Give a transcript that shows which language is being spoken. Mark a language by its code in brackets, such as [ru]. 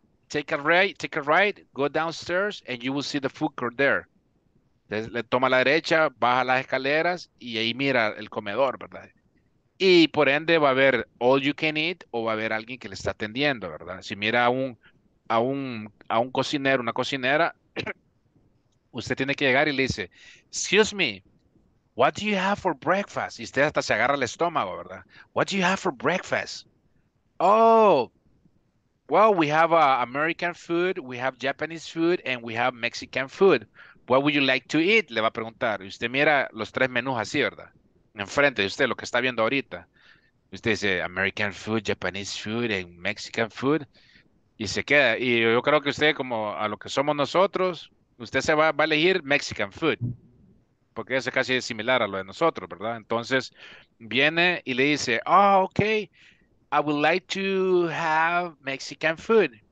[en] Take a right, go downstairs, and you will see the food court there. [es] Entonces, le toma a la derecha, baja las escaleras, y ahí mira el comedor, ¿verdad? Y por ende va a haber [en] all you can eat, [es] o va a haber alguien que le está atendiendo, ¿verdad? Si mira a un cocinero, una cocinera, usted tiene que llegar y le dice, [en] excuse me, what do you have for breakfast? [es] Y usted hasta se agarra el estómago, ¿verdad? [en] What do you have for breakfast? Oh, well, we have American food, we have Japanese food, and we have Mexican food. What would you like to eat? [es] Le va a preguntar. Y usted mira los tres menús así, ¿verdad? Enfrente de usted, lo que está viendo ahorita. Usted dice, [en] American food, Japanese food, and Mexican food. [es] Y se queda. Y yo creo que usted, como a lo que somos nosotros, usted se va a elegir Mexican food. Porque eso casi es similar a lo de nosotros, ¿verdad? Entonces, viene y le dice, [en] oh, okay, I would like to have Mexican food.